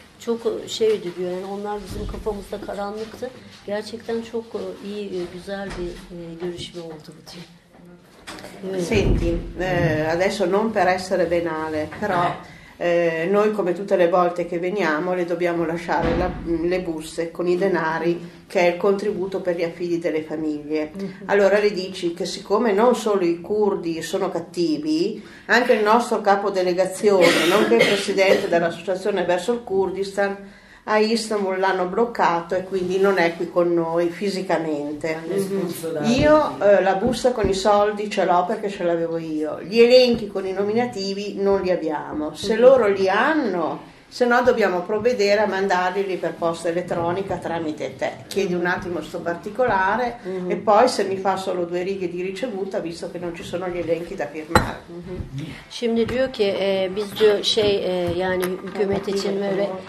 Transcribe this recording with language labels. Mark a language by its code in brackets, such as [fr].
[tr] Çok şeydi diyor. Yani onlar bizim kafamızda karanlıktı. Gerçekten çok iyi, güzel bir görüşme oldu bu diyor. [it] Senti, adesso non per essere venale, però noi come tutte le volte che veniamo le dobbiamo lasciare le buste con i denari che è il contributo per gli affidi delle famiglie. Allora le dici che siccome non solo i curdi sono cattivi, anche il nostro capo delegazione, nonché presidente dell'associazione verso il Kurdistan, a Istanbul l'hanno bloccato e quindi non è qui con noi fisicamente. Io la busta con i soldi ce l'ho perché ce l'avevo io. Gli elenchi con i nominativi non li abbiamo. Se loro li hanno, se no dobbiamo provvedere a mandarli per posta elettronica tramite te. Chiedi un attimo sto particolare e poi se mi fa solo due righe di ricevuta, visto che non ci sono gli elenchi da firmare. [tr] Şimdi diyor ki biz diyor şey yani hükümet için böyle